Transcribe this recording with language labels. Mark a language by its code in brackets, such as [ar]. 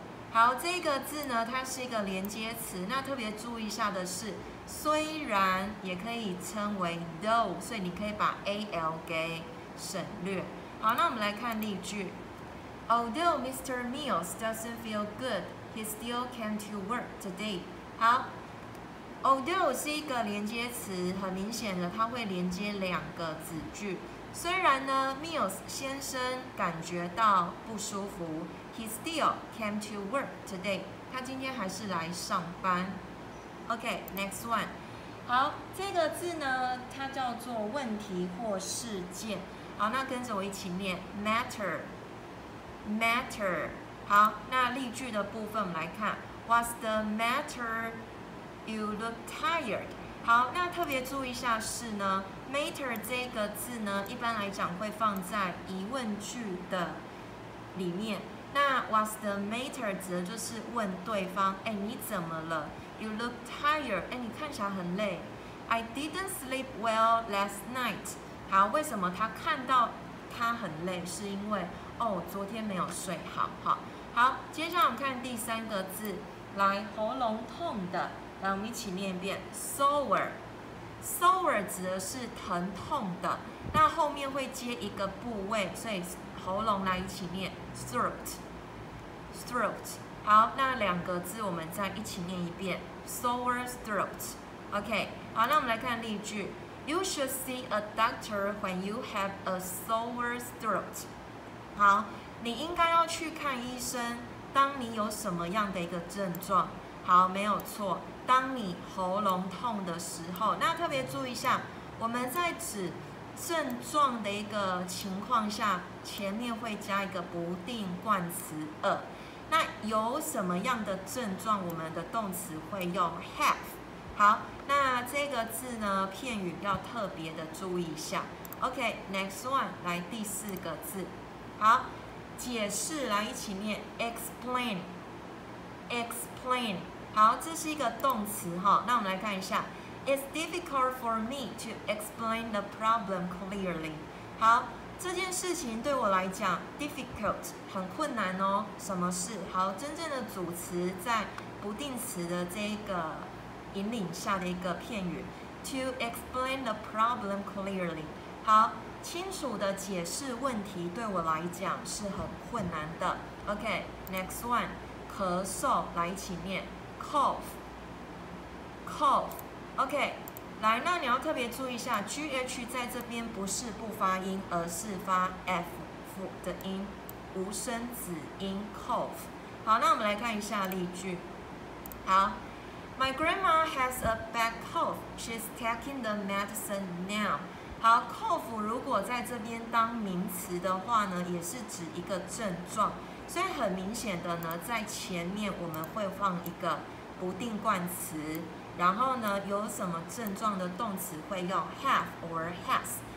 [zh] 好，这个字呢，它是一个连接词，那特别注意一下的是。虽然也可以称为 though， 所以你可以把 al 给省略。好，那我们来看例句。 [en] Although Mr. Mills doesn't feel good, he still came to work today. [zh] 好， although 是一个连接词，很明显的它会连接两个子句。虽然呢 ，Mills 先生感觉到不舒服 ， [en] he still came to work today. [zh] 他今天还是来上班。 [en] Okay, next one. [zh] 好，这个字呢，它叫做问题或事件。好，那跟着我一起念 matter, matter. 好，那例句的部分我们来看 ， [en] What's the matter? You look tired. [zh] 好，那特别注意一下是呢 ，matter 这个字呢，一般来讲会放在疑问句的里面。那 [en] What's the matter [zh] 指的就是问对方，哎，你怎么了？ [en] You look tired. [zh] 哎，你看起来很累。 [en] I didn't sleep well last night. [zh] 好，为什么他看到他很累？是因为哦，昨天没有睡好。好，好，接下来我们看第三个字，来，喉咙痛的，来，我们一起念一遍 ，sore。 sore 指的是疼痛的，那后面会接一个部位，所以喉咙来一起念 ，throat。 [en] throat。 [zh] 好，那两个字我们再一起念一遍 ，sore throat。 [en] OK， [zh] 好，那我们来看例句 [en] ，You should see a doctor when you have a sore throat。 [zh] 好，你应该要去看医生，当你有什么样的一个症状？好，没有错，当你喉咙痛的时候，那特别注意一下，我们在指症状的一个情况下，前面会加一个不定冠词二。那有什么样的症状，我们的动词会用 have。好，那这个字呢，片语要特别的注意一下。 [en] OK, next one, [zh] 来第四个字。好，解释，来一起念 explain, explain。好，这是一个动词，那我们来看一下 [en] It's difficult for me to explain the problem clearly。 [zh] 好，这件事情对我来讲 difficult 很困难哦。什么事？好，真正的主词在不定词的这个引领下的一个片语 [en] to explain the problem clearly。 [zh] 好，清楚的解释问题对我来讲是很困难的。 [en] OK, next one, [zh] 咳嗽，来一起念 cough, cough。 OK,来，那你要特别注意一下 ，gh 在这边不是不发音，而是发 f 的音，无声子音 cough。好，那我们来看一下例句。 [en] 好 ，My grandma has a bad cough. She's taking the medicine now. [zh] 好 ，cough 如果在这边当名词的话呢，也是指一个症状，所以很明显的呢，在前面我们会放一个不定冠词。然后呢，有什么症状的动词会用 have or has。